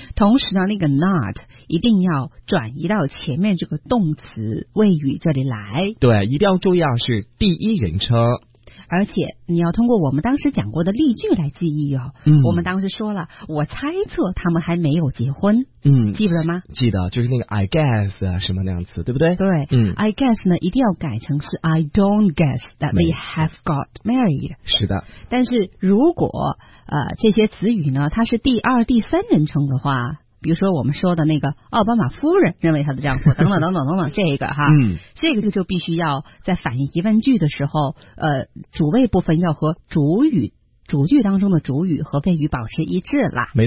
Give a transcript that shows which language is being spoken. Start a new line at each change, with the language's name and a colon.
Chinese: 同时呢，那个 not 一定要转移到前面这个动词谓语这里来。对，一定要注意啊，是第一人称，而且你要通过我们当时讲过的例句来记忆哦。我们当时说了，我猜测他们还没有结婚。记不得吗？记得，就是那个
English: I guess
Chinese: 啊，什么那样词，对不对？对。
English: I guess
Chinese: 呢，一定要改成是
English: I don't guess that they have got married。
Chinese: 是的。但是如果这些词语呢，它是第二、第三人称的话。比如说我们说的那个奥巴马夫人认为她的丈夫等等等等等等这个哈，这个就必须要在反应疑问句的时候，主谓部分要和主语主句当中的主语和谓语保持一致了。